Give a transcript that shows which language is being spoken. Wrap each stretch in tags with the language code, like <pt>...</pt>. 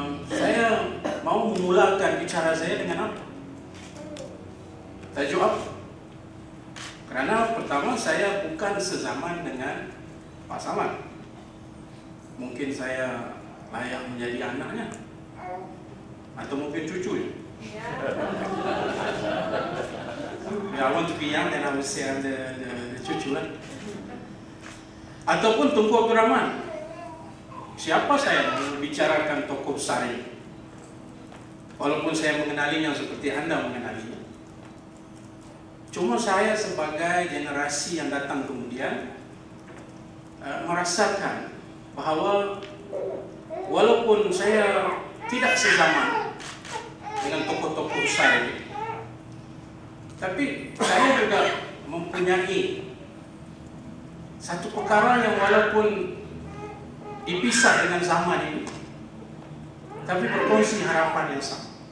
<ms>Saya mau memulakan bicara saya dengan apa? Tajuk apa? Kerana pertama, saya bukan sezaman dengan Pak Samad. Mungkin saya layak menjadi anaknya atau mungkin cucunya. Yeah.</ms> <en>I want to be young and I will say I'm the</en> <ms>cucu lah. Ataupun Tunku Abdul Rahman. Siapa saya membicarakan tokoh besar ini? Walaupun saya mengenalinya seperti anda mengenalinya. Cuma saya sebagai generasi yang datang kemudian merasakan bahawa walaupun saya tidak sezaman dengan tokoh-tokoh saya, tapi saya juga mempunyai satu perkara yang walaupun dipisah dengan zaman ini, tapi berkongsi harapan yang sama.</ms>